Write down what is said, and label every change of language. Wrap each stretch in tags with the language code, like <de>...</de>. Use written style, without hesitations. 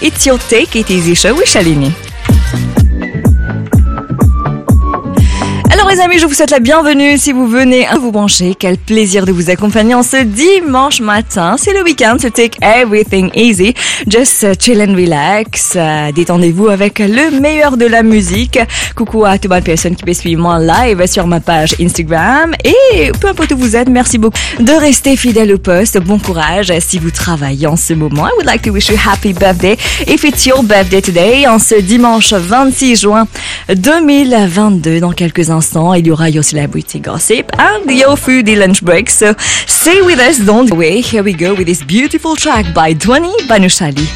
<en>It's your Take It Easy Show with Shalini.</en> <fr>Mes amis, je vous souhaite la bienvenue si vous venez à vous brancher. Quel plaisir de vous accompagner en ce dimanche matin. C'est le week-end,</fr> <en>so take everything easy. Just chill and relax.</en> <fr>Détendez-vous avec le meilleur de la musique. Coucou à toutes les personnes qui peuvent suivre moi en live sur ma page Instagram. Et peu importe où vous êtes, merci beaucoup de rester fidèle au poste. Bon courage si vous travaillez en ce moment.</fr> <en>I would like to wish you a happy birthday if it's your birthday today.</en> <fr>En ce dimanche 26 juin 2022, dans quelques instants. Il y aura</fr> <en>your celebrity gossip and your foodie lunch break. So stay with us, don't go away. Here we go with this beautiful track by Dwani Banushali.</en>